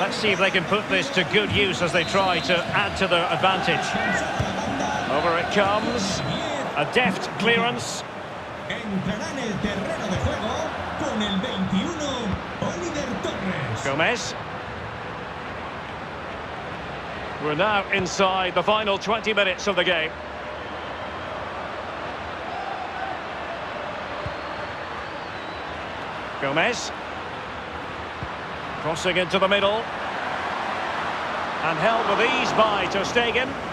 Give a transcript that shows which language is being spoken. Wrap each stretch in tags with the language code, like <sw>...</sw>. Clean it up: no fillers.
<en>Let's see if they can put this to good use as they try to add to their advantage. Over it comes. A deft clearance.</en> <es>Entrarán el terreno de juego con el 21, Oliver Torres.</es> <en>Gomez. We're now inside the final 20 minutes of the game. Gomez. Crossing into the middle. And held with ease by Ter Stegen.</en>